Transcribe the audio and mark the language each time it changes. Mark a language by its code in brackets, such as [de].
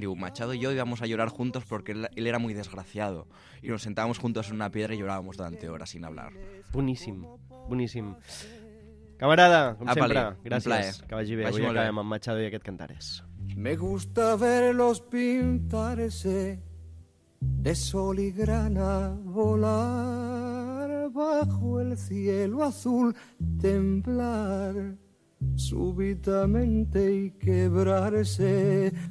[es] Diu, Machado y yo íbamos a llorar juntos porque él era muy desgraciado. Y nos sentábamos juntos en una piedra y llorábamos durante horas sin hablar. [ca] Boníssim. Camarada, com sempre, gràcies. Que vagi bé. Avui acabem amb Machado i aquest Cantares. [es] Me gusta verlos pintarse de sol y grana, volar bajo el cielo azul, temblar súbitamente y quebrarse.